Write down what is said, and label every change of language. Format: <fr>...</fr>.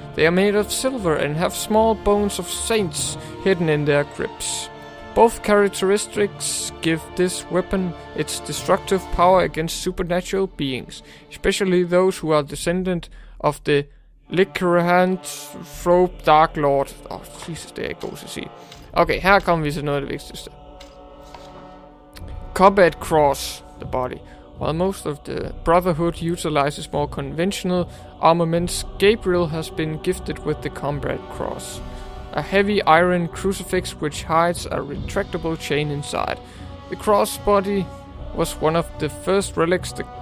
<en>They are made of silver and have small bones of saints hidden in their grips. Both characteristics give this weapon its destructive power against supernatural beings, especially those who are descendant of the Lycanthrope Dark Lord.</en> <da>Oh, Jesus, det er ikke godt at sige. Okay, her kommer vi til noget af det vigtigste.</da> <en>Combat cross the body. While most of the Brotherhood utilizes more conventional armaments, Gabriel has been gifted with the Combat Cross, a heavy iron crucifix which hides a retractable chain inside. The crossbody was one of the first relics the</en>